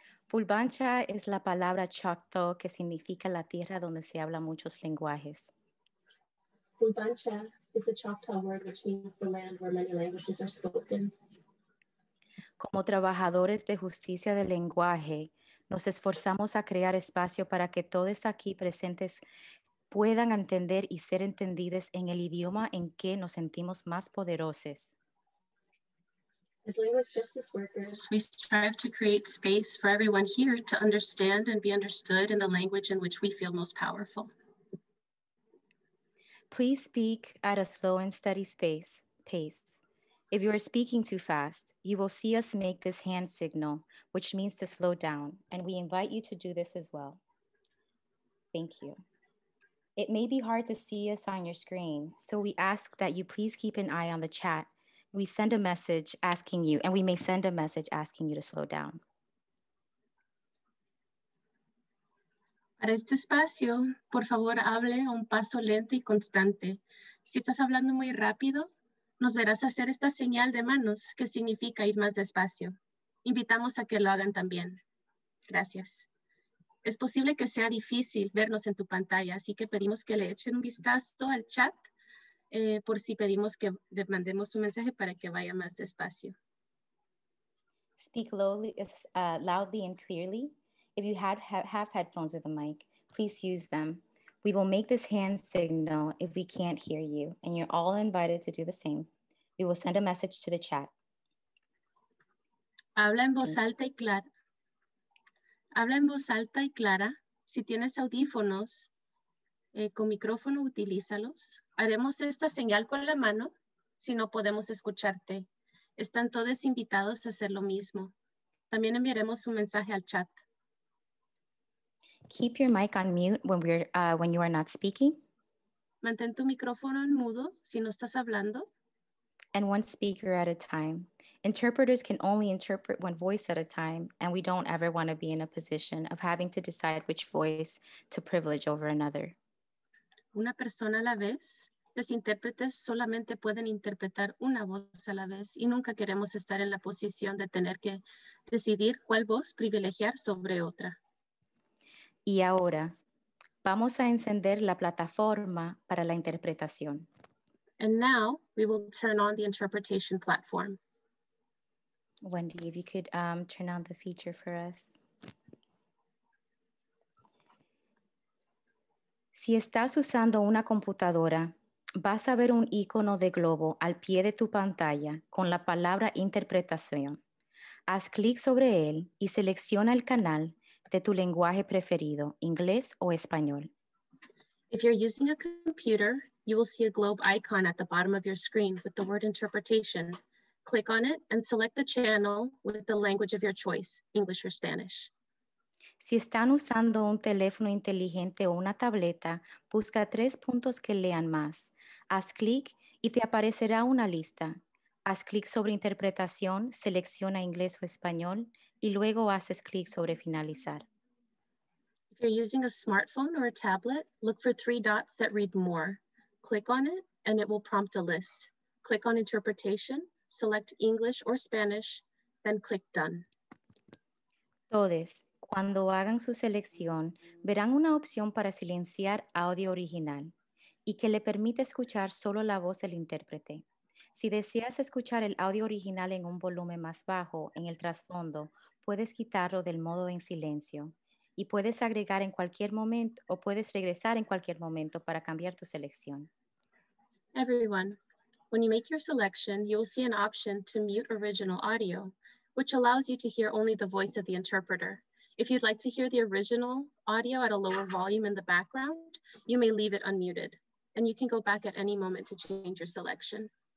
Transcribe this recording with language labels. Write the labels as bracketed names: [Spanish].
[Spanish] Bulbancha es la palabra chato que significa la tierra donde se habla muchos lenguajes. [English] Bulbancha is the Choctaw word which means the land where many languages are spoken. [Spanish] Como trabajadores de justicia del lenguaje, nos esforzamos a crear espacio para que todos aquí presentes puedan entender y ser entendidos en el idioma en que nos sentimos más poderosos. [English] As language justice workers, we strive to create space for everyone here to understand and be understood in the language in which we feel most powerful. Please speak at a slow and steady pace. If you are speaking too fast, you will see us make this hand signal, which means to slow down, and we invite you to do this as well. Thank you. It may be hard to see us on your screen, so we ask that you please keep an eye on the chat. We send a message asking you, and we may send a message asking you to slow down. [Spanish] Para este espacio, por favor, hable a un paso lento y constante. Si estás hablando muy rápido, nos verás hacer esta señal de manos, que significa ir más despacio. Invitamos a que lo hagan también. Gracias. Es posible que sea difícil vernos en tu pantalla, así que pedimos que le echen un vistazo al chat. Por si pedimos que le mandemos un mensaje para que vaya más despacio. [English] Speak lowly, loudly and clearly. If you have headphones with a mic, please use them. We will make this hand signal if we can't hear you, and you're all invited to do the same. We will send a message to the chat. [Spanish] Habla en voz alta y clara. Habla en voz alta y clara. Si tienes audífonos, con micrófono, utilízalos. Haremos esta señal con la mano si no podemos escucharte. Están todos invitados a hacer lo mismo. También enviaremos un mensaje al chat. [English] Keep your mic on mute when you are not speaking. [Spanish] Mantén tu micrófono en mudo si no estás hablando. [English] And one speaker at a time. Interpreters can only interpret one voice at a time, and we don't ever want to be in a position of having to decide which voice to privilege over another. [Spanish] Una persona a la vez, los intérpretes solamente pueden interpretar una voz a la vez y nunca queremos estar en la posición de tener que decidir cuál voz privilegiar sobre otra. Y ahora, vamos a encender la plataforma para la interpretación. [English] And now, we will turn on the interpretation platform. Wendy, if you could turn on the feature for us. [Spanish] Si estás usando una computadora, vas a ver un icono de globo al pie de tu pantalla con la palabra interpretación. Haz clic sobre él y selecciona el canal de tu lenguaje preferido, inglés o español. [English] If you're using a computer, you will see a globe icon at the bottom of your screen with the word interpretation. Click on it and select the channel with the language of your choice, English or Spanish. [Spanish] Si están usando un teléfono inteligente o una tableta, busca tres puntos que lean más. Haz clic y te aparecerá una lista. Haz clic sobre interpretación, selecciona inglés o español y luego haces clic sobre finalizar. [English] If you're using a smartphone or a tablet, look for three dots that read more. Click on it and it will prompt a list. Click on interpretation, select English or Spanish, then click done. [Spanish] Todos, cuando hagan su selección, verán una opción para silenciar audio original y que le permite escuchar solo la voz del intérprete. Si deseas escuchar el audio original en un volumen más bajo, en el trasfondo, puedes quitarlo del modo en silencio. Y puedes agregar en cualquier momento o puedes regresar en cualquier momento para cambiar tu selección. [English] Everyone, when you make your selection, you will see an option to mute original audio, which allows you to hear only the voice of the interpreter. If you'd like to hear the original audio at a lower volume in the background, you may leave it unmuted. And you can go back at any moment to change your selection.